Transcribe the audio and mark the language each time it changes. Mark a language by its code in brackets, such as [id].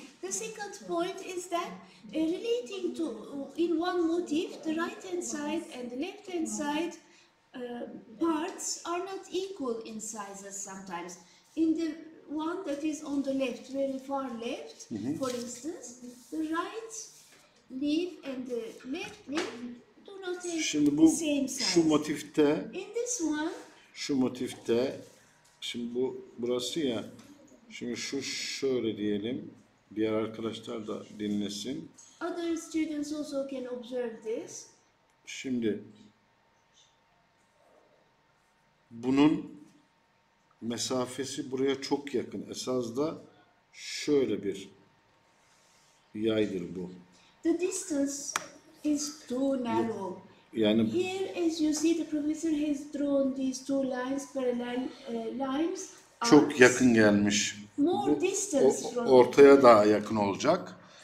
[en] The second point is that relating to in one motif the right hand side and the left hand side parts are not equal in sizes sometimes. In the one that is on the left, very far left, for instance, the right leaf and the left leaf do not have the same size. [tr] Şu motifte, [en] in this one, [tr] şu motifte, şimdi bu burası ya, şimdi şu şöyle diyelim, diğer arkadaşlar da dinlesin. [en] Other students also can observe this. [tr] Şimdi bunun mesafesi buraya çok yakın. Esas da şöyle bir yaydır bu. [en] The distance is too narrow. [tr] Yani [en] here as you see the professor has drawn these two lines parallel lines. [tr] Çok yakın gelmiş. [en] More distance [tr] ortaya daha yakın olacak.